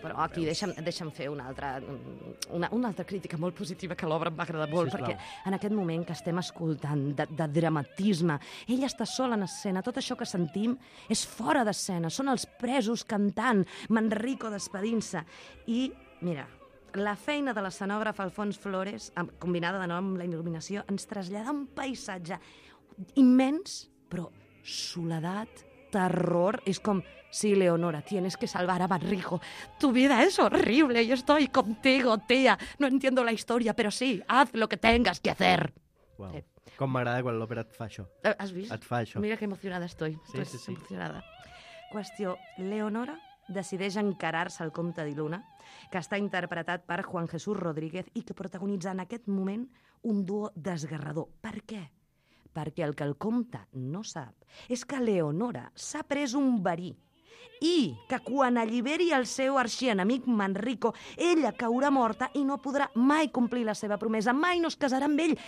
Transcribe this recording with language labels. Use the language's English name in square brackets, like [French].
[Catalan] Però aquí deixa'm fer una altra crítica molt positiva que l'obra em va agradar molt, perquè en aquest moment que estem escoltant de dramatisme, ella està sola en escena, tot això que sentim és fora d'escena, són els presos cantant, Manrico despedint-se. I, mira, la feina de l'escenògraf Alfons Flores, combinada de nou amb la il·luminació, ens trasllada a un paisatge immens, però soledat, terror. [Spanish] Es como, sí, Leonora, tienes que salvar a Manrico. Tu vida es horrible. Yo estoy contigo, tía. No entiendo la historia, pero sí, haz lo que tengas que hacer. [Catalan] Wow. Com m'agrada quan l'òpera et fa això. Has vist? Et fa això. [Spanish] Mira que emocionada estoy. [Catalan] Sí. Emocionada. Qüestió, Leonora decideix encarar-se al comte Di Luna, que està interpretat per Juan Jesús Rodríguez i que protagonitza en aquest moment un duo desgarrador. Per què? Perquè el que el comte no sap és que Leonora s'ha pres un verí i que quan alliberi el seu arxienemic Manrico, ella caurà morta i no podrà mai complir la seva promesa, mai no es casarà amb ell.